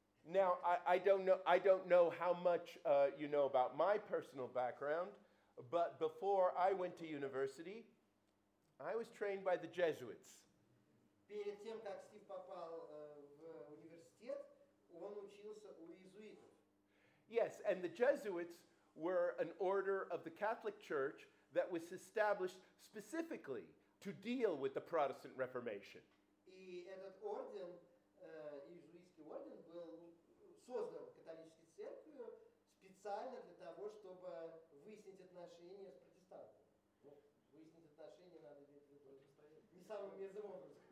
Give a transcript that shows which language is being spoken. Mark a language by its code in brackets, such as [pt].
[en] Now, I don't know how much you know about my personal background, but before I went to university, I was trained by the Jesuits. [ru] Перед тем, как Стив попал в университет, он учился у иезуитов. [en] Yes, and the Jesuits were an order of the Catholic Church that was established specifically to deal with the Protestant Reformation. [ru] И этот орден, иезуитский орден, был создан католической церковью специально для того, чтобы выяснить отношения с протестантами. Ну, выяснить отношения надо ведь не самым мерзким образом.